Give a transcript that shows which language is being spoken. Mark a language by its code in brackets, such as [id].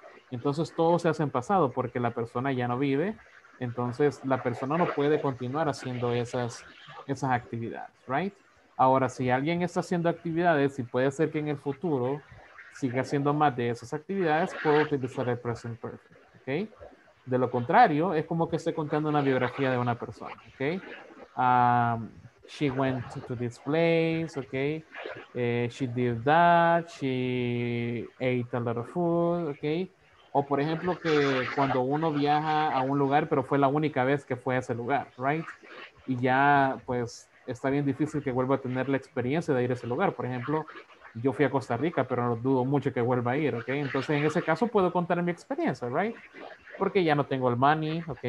[es] Entonces, todo se hace en pasado porque la persona ya no vive. Entonces, la persona no puede continuar haciendo esas actividades, ¿right? Ahora, si alguien está haciendo actividades y puede ser que en el futuro siga haciendo más de esas actividades, puedo utilizar el present perfect, ¿ok? De lo contrario, es como que esté contando una biografía de una persona, ¿ok? [en] She went to this place, ¿ok? She did that, she ate a lot of food, ¿ok? [es] O por ejemplo, que cuando uno viaja a un lugar, pero fue la única vez que fue a ese lugar, ¿right? Y ya, pues, está bien difícil que vuelva a tener la experiencia de ir a ese lugar. Por ejemplo, yo fui a Costa Rica, pero no dudo mucho que vuelva a ir, ¿ok? Entonces, en ese caso, puedo contar mi experiencia, ¿right? Porque ya no tengo el money, ¿ok?